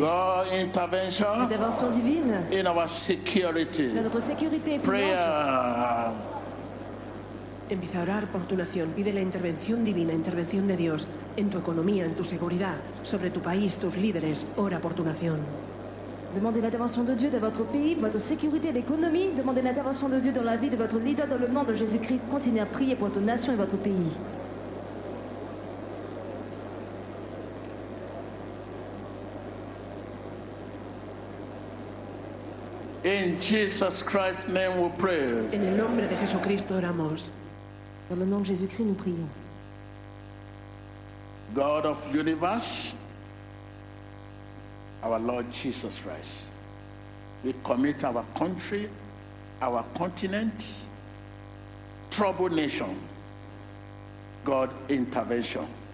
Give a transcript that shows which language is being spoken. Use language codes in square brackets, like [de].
[en] God intervention. [es] Intervención divina. [en] In our security. [es] En nuestra seguridad. [en] Prayer. [es] Empieza a orar por tu nación. Pide la intervención divina, intervención de Dios, en tu economía, en tu seguridad, sobre tu país, tus líderes. Ora por tu nación. [fr] Demandez l'intervention de Dieu dans votre pays, votre sécurité, l'économie. Demandez l'intervention de Dieu dans la vie de votre leader, dans le nom de Jésus-Christ. Continue à prier pour ta nation et votre pays. [en] In Jesus Christ's name we pray. [es] En el nombre de Jesucristo oramos. [fr] Dans le nom de Jésus-Christ, nous prions. [en] God of universe, our Lord Jesus Christ, we commit our country, our continent, troubled nation, God intervention.